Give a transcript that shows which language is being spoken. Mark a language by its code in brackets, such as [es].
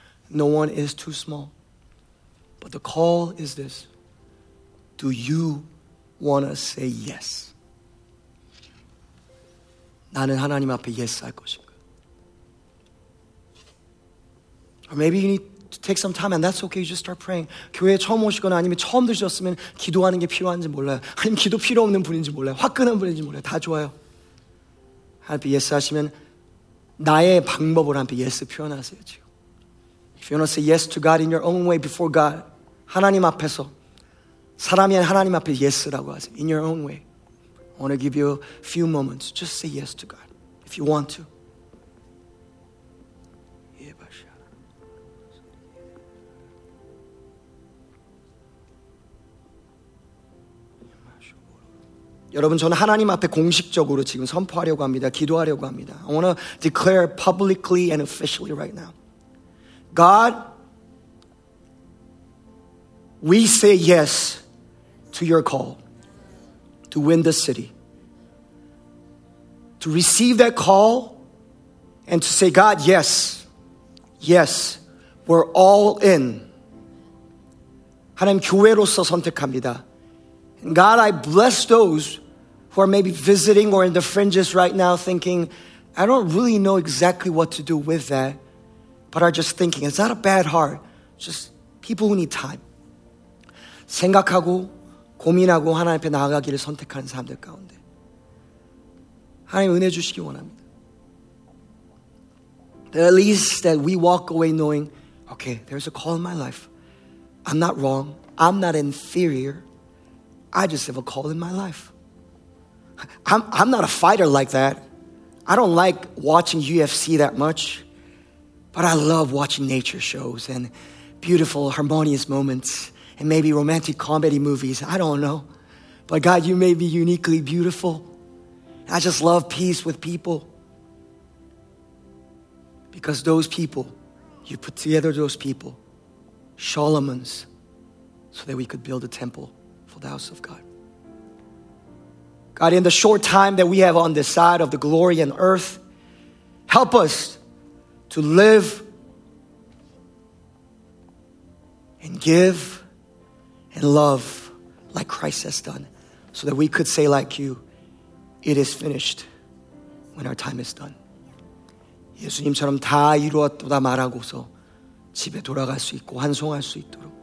[en] No one is too small. But the call is this. Do you want to say yes? [ko] 나는 하나님 앞에 yes 할 것인가? [en] Or maybe you need to take some time and that's okay. You just start praying. [ko] 교회에 처음 오시거나 아니면 처음 들으셨으면 기도하는 게 필요한지 몰라요. 아니면 기도 필요 없는 분인지 몰라요. 화끈한 분인지 몰라요. 다 좋아요. 하나님 앞에 yes 하시면 나의 방법으로 하나님 앞에 yes 표현하세요. 지금. [en] If you want to say yes to God in your own way before God, [ko] 하나님 앞에서 사람이 아닌 하나님 앞에 yes라고 하세요. [en] In your own way. I want to give you a few moments. Just say yes to God if you want to. [ko] 여러분 저는 하나님 앞에 공식적으로 지금 선포하려고 합니다. 기도하려고 합니다. [en] I want to declare publicly and officially right now. God, we say yes to your call to win the city. To receive that call and to say, God, yes, yes, we're all in. [ko] 하나님 교회로서 선택합니다. [en] And God, I bless those who are maybe visiting or in the fringes right now thinking, I don't really know exactly what to do with that, but are just thinking, it's not a bad heart, just people who need time. [ko] 생각하고 고민하고 하나님 앞에 나아가기를 선택하는 사람들 가운데 하나님 은혜 주시기 원합니다. [en] That at least that we walk away knowing, okay, there's a call in my life. I'm not wrong. I'm not inferior. I just have a call in my life. I'm not a fighter like that. I don't like watching UFC that much, but I love watching nature shows and beautiful, harmonious moments and maybe romantic comedy movies. I don't know. But God, you made me uniquely beautiful. I just love peace with people because those people, you put together those people, Solomon's, so that we could build a temple for the house of God. God, in the short time that we have on this side of the glory and earth, help us to live and give and love like Christ has done, so that we could say like you, it is finished when our time is done. [ko] 예수님처럼 다 이루었다 말하고서 집에 돌아갈 수 있고 환송할 수 있도록